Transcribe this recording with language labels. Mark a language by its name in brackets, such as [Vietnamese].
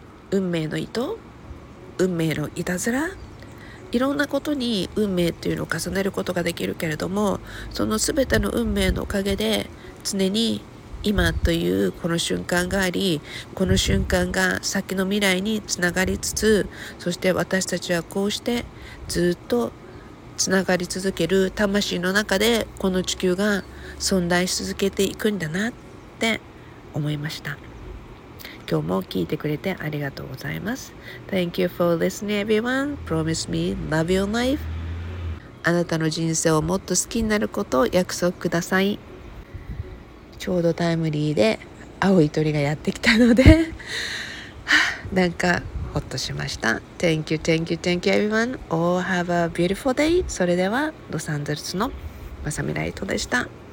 [Japanese] 運命の糸、運命のいたずら、いろんなことに運命っていうのを重ねることができるけれども、その全ての運命のおかげで常に今というこの瞬間があり、この瞬間が先の未来につながりつつ、そして私たちはこうしてずっとつながり続ける魂の中でこの地球が存在し続けていくんだなって思いました。今日も聞いてくれてありがとうございます。 [English] Thank you for listening everyone. Promise me, love your life. [Japanese] あなたの人生をもっと好きになることを約束ください。ちょうどタイムリーで青い鳥がやってきたのでなんかほっとしました。 [English] Thank you, thank you, thank you everyone. All have a beautiful day. [Japanese] それではロサンゼルスのマサミライトでした。